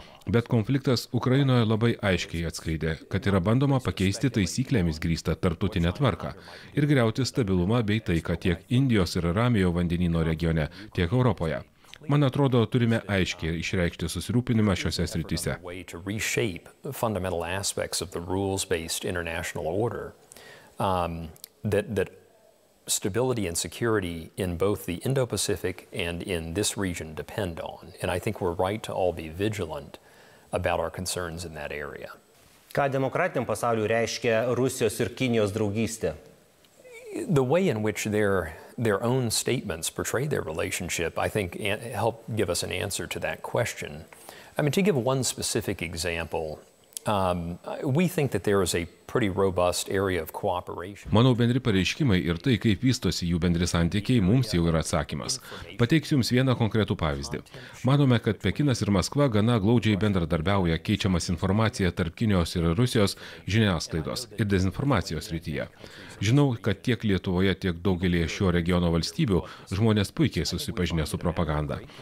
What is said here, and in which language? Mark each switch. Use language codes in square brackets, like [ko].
[lt] Bet konfliktas Ukrainoje labai aiškiai atskleidė, kad yra bandoma pakeisti taisyklėmis grįstą tarptautinę tvarką ir griauti stabilumą bei taiką tiek Indijos ir Ramiojo vandenyno regione, tiek Europoje. Man atrodo, turime aiškiai išreikšti susirūpinimą šiose srityse. [en] Stability and security in both the Indo-Pacific and in this region depend on. And I think we're right to all be vigilant about our concerns in that area. [lt] Ką demokratiniam pasauliui reiškia Rusijos ir Kinijos draugystė? [en] The way in which their own statements portray their relationship, I think, help give us an answer to that question. I mean, to give one specific example, we think that there is a pretty robust area of cooperation. [lt] Manau, bendri pareiškimai ir tai, kaip vystosi jų bendri santykiai, mums jau yra atsakymas. Pateiksiu jums vieną konkretų pavyzdį. Manome, kad Pekinas ir Maskva gana glaudžiai bendradarbiauja keičiamas informacija tarp Kinijos ir Rusijos žiniasklaidos ir dezinformacijos srityje. Žinau, kad tiek Lietuvoje, tiek daugelyje šio regiono valstybių žmonės puikiai susipažinę su propaganda.